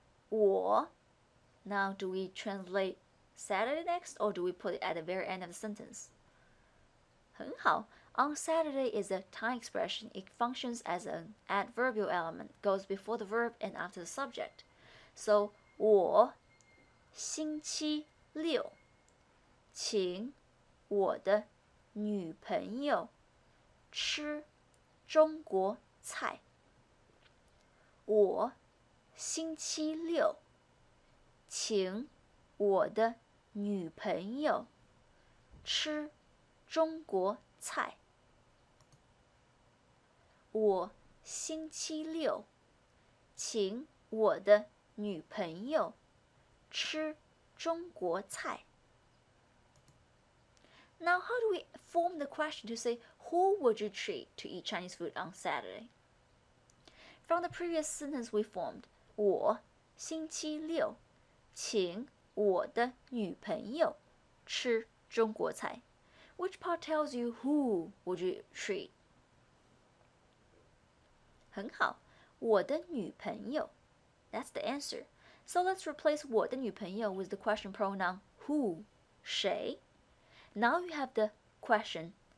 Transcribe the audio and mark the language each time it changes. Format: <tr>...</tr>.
<zh>我</zh> <en>Now do we translate Saturday next or do we put it at the very end of the sentence?</en> <zh>很好</zh> <en>On Saturday is a time expression. It functions as an adverbial element. Goes before the verb and after the subject. So</en> <zh>我星期六请我的女朋友吃中国菜。我星期六请我的女朋友吃中国菜。我星期六请我的女朋友吃中国菜。</zh> <en>Now, how do we form the question to say, who would you treat to eat Chinese food on Saturday? From the previous sentence we formed, 我星期六请我的女朋友吃中国菜。 Which part tells you who would you treat?</en> <zh>很好,我的女朋友。</zh> <en>That's the answer. So let's replace</en> <zh>我的女朋友</zh> <en>with the question pronoun who, 谁. Now you have the question</en>